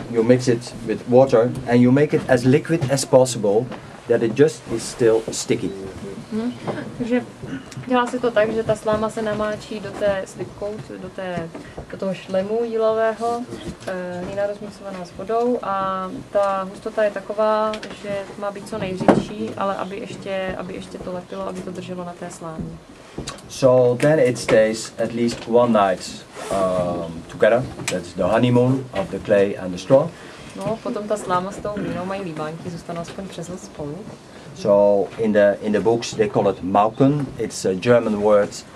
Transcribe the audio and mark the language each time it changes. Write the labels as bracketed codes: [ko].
[en] you mix it with water and you make it as liquid as possible, that it just is still sticky. [cs] Takže dělá se to tak, že ta sláma se namáčí do té slipkou, do toho šlemu jílového, jiná rozmixovaná s vodou a ta hustota je taková, že má být co nejřidší, ale aby ještě to lepilo, aby to drželo na té slámě. [en] So then it stays at least one night together, that's the honeymoon of the clay and the straw. [cs] No, potom ta sláma s tou hlínou mají líbánky, zůstanou aspoň přes noc spolu. [en] So in the books they call it Mauken. It's a German word.